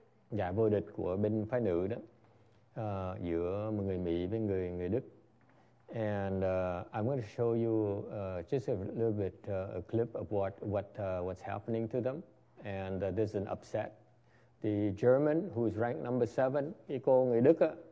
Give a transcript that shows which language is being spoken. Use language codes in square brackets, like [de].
[vi] Giải vô địch của bên phái nữ đó giữa một người Mỹ với người người Đức. [en] And I'm going to show you just a little bit a clip of what's happening to them. And this is an upset. The German who's ranked number 7, [vi] cái cô người Đức á.